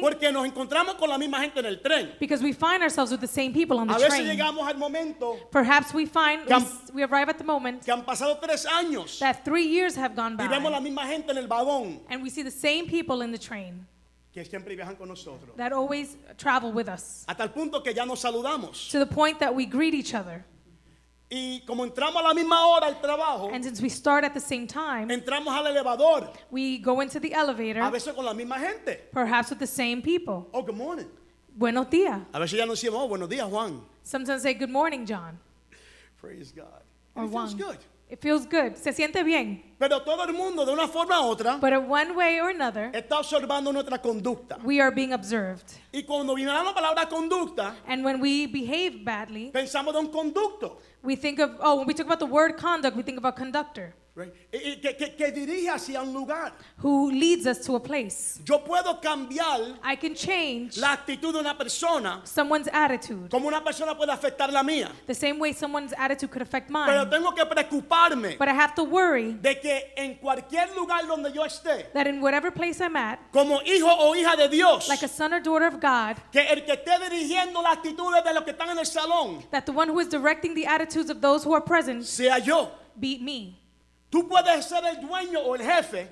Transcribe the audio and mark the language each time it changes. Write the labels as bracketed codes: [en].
[es] porque nos encontramos con la misma gente en el tren, [en] because we find ourselves with the same people on the [es] a veces [en] train. [es] Llegamos al momento, [en] perhaps we find we arrive at the moment [es] que han pasado tres años, [en] that 3 years have gone by, [es] y vemos la misma gente en el vagón, [en] and we see the same people in the train [es] que siempre viajan con nosotros, [en] that always travel with us, [es] hasta el punto que ya nos saludamos, [en] to the point that we greet each other. [es] Y como entramos a la misma hora al trabajo, [en] and since we start at the same time, [es] entramos al elevador, [en] we go into the elevator, [es] a veces con la misma gente, [en] perhaps with the same people. Oh, good morning. [es] Buenos días. A veces ya nos decimos, oh, buenos días, Juan. [en] Sometimes say good morning, John. Praise God. Or it feels one. Good. It feels good. [es] Se siente bien. Pero todo el mundo, de una forma u otra, [en] but in one way or another, [es] está observando nuestra conducta. [en] We are being observed. [es] Y cuando miramos la palabra conducta, [en] and when we behave badly, [es] pensamos de un conducto. [en] We think of, oh, when we talk about the word conduct, we think of a conductor. [es] Right? Que dirige hacia un lugar. [en] Who leads us to a place. [es] Yo puedo cambiar, [en] I can change [es] la actitud de una persona, [en] someone's attitude. [es] Como una persona puede afectar la mía. [en] The same way someone's attitude could affect mine. [es] Pero tengo que preocuparme, [en] but I have to worry [es] de que en cualquier lugar donde yo esté, [en] that in whatever place I'm at, [es] como hijo o hija de Dios, [en] like a son or daughter of God, [es] que el que esté dirigiendo las actitudes de los que están en el salón, [en] that the one who is directing the attitudes of those who are present, [es] sea yo. [en] Be me. [es] Tú puedes ser el dueño o el jefe.